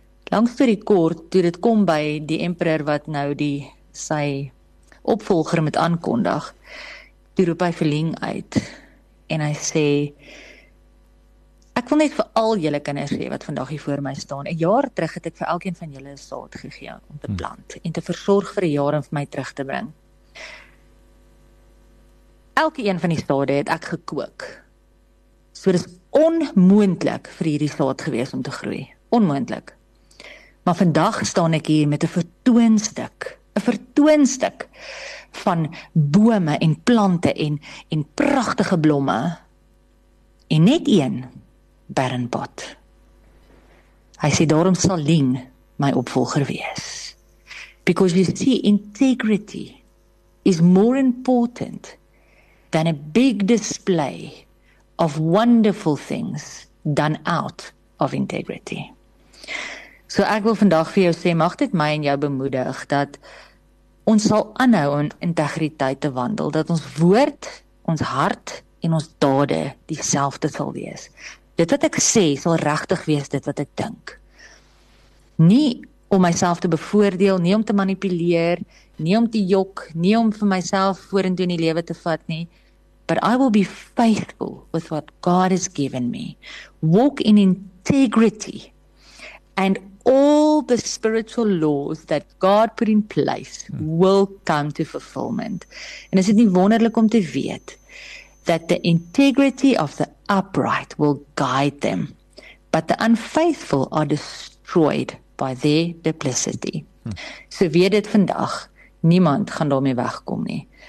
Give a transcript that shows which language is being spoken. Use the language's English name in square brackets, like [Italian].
[Afrikaans] Langs toe die kort, toe dit kom by die emperor wat nou die sy opvolger met aankondig, toe roep hy vir Ling uit. En hy sê, ek wil net vir al julle kinders sê wat vandag hier voor my staan. 'N jaar terug het ek vir elkeen van julle 'n saad gegee om te plant en te versorg vir 'n jaar en vir my terug te bring. Elke een van die sade het ek gekook. So dis onmoontlik vir hierdie saad gewees om te groei. Onmoontlik. Maar vandag staan ek hier met 'n vertoonstuk. 'N vertoonstuk van bome en plante en pragtige blomme. En net een barren pot. Hy sê, daarom sal Ling my opvolger wees. [English] Because you see, integrity is more important than a big display of wonderful things done out of integrity. [Afrikaans] So ek wil vandag vir jou sê, mag dit my en jou bemoedig, dat ons sal aanhou in integriteit te wandel, dat ons woord, ons hart en ons dade dieselfde sal wees. Dit wat ek sê, sal regtig wees dit wat ek dink. Nie om myself te bevoordeel, nie om te manipuleer, nie om te jok, nie om vir myself vorentoe in die lewe te vat nie. [English] But I will be faithful with what God has given me. Walk in integrity. And all the spiritual laws that God put in place will come to fulfillment. [Afrikaans] En is dit nie wonderlik om te weet [English] that the integrity of the upright will guide them, but the unfaithful are destroyed by their duplicity. [Afrikaans] So weet dit vandag, niemand gaan daarmee wegkom nie.